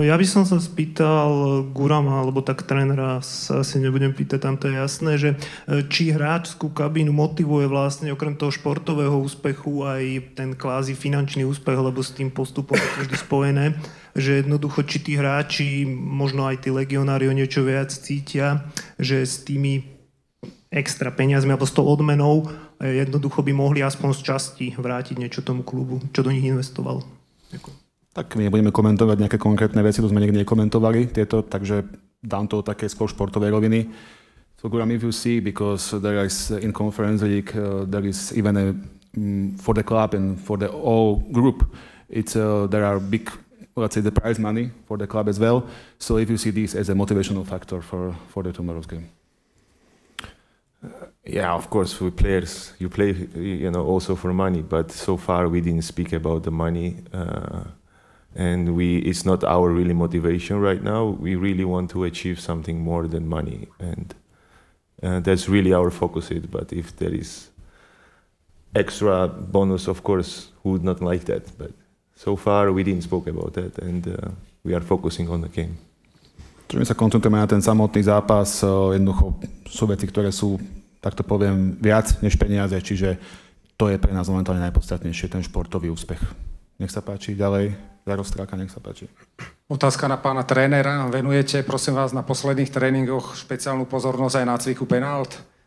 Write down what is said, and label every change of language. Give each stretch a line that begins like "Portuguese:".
Slovak: Ja by som sa spýtal Gurama, alebo tak trénera, sa asi nebudem pýtať, tam to je jasné, že či hráčskú kabínu motivuje vlastne okrem toho športového úspechu aj ten kvázi finančný úspech, lebo s tým postupom je vždy spojené, že jednoducho, či tí hráči, možno aj tí legionári o niečo viac cítia, že s tými extra peniazmi alebo s tou odmenou jednoducho by mohli aspoň z časti vrátiť niečo tomu klubu, čo do nich investoval. Tak my nebudeme komentovať nejaké konkrétne veci, to sme niekde nekomentovali tieto, takže dám to také skôr športovej roviny.
English: So Guram, if you see, because there is in Conference League, there is even a, for the club and for the all group, it's there are big, let's say, the prize money for the club as well. So if you see this as a motivational factor for the tomorrow's game. Yeah, of course, we players, you play, you know, also for money, but so far we didn't speak about the money. And we, it's not our really motivation right now. We really want to achieve something more than money. And that's really our focus. But if there is extra bonus, of course, who would not like that? But so far we didn't spoke about that. And we are focusing on the game.
Slovak: Čiže my sa koncentrujeme na ten samotný zápas, jednoducho sú veci, ktoré sú, tak to poviem, viac než peniaze, čiže to je pre nás momentálne najpodstatnejšie, ten športový úspech. Nech sa páči, ďalej, Jaro Stráka, nech sa páči. Otázka na pána trénera, venujete, prosím vás, na posledných tréningoch špeciálnu pozornosť aj na cviku penált?